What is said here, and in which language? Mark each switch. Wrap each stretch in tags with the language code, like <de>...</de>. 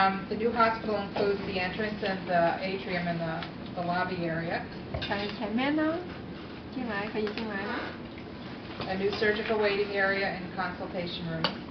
<en>The new hospital includes the entrance and the atrium and the lobby area.</en> <zh>在前面呢，进来可以进来吗？</zh> <en>A new surgical waiting area and consultation room.</en>